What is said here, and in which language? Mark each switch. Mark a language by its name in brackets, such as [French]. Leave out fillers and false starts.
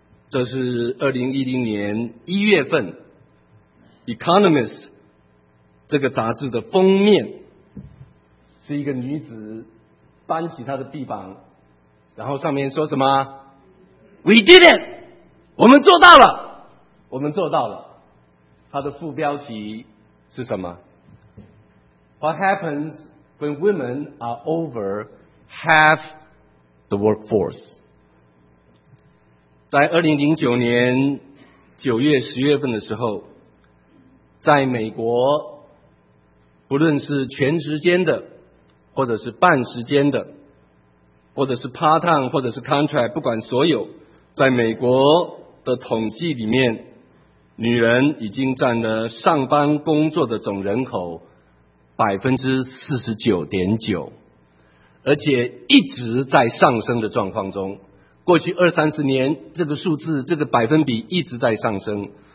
[Chinese] 这是2010年1月份 Economist 这个杂志的封面，是一个女子搬起她的臂膀，然后上面说什么 [English] We did it， [Chinese] 我们做到了，我们做到了。她的副标题是什么？ [English] What happens when women are over halfthe workforce。 [Chinese] 在2009年9月10月份的时候，在美国不论是全时间的或者是半时间的或者是 part time 或者是 contract， 不管所有，在美国的统计里面，女人已经占了上班工作的总人口 49.9%，而且一直在上升的状况中，过去二三十年这个数字这个百分比一直在上升。